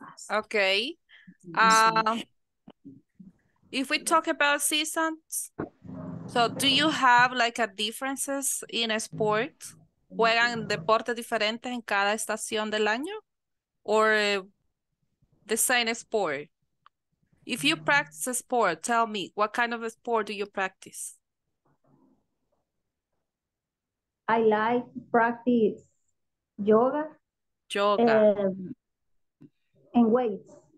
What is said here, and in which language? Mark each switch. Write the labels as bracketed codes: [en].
[en] Okay. If we talk about seasons, so do you have like a differences in a sport? [es] ¿Juegan deportes diferentes en cada estación del año? [en] Or the same sport? If you practice a sport, tell me, what kind of a sport do you practice? I like practice yoga. Yoga. And weights.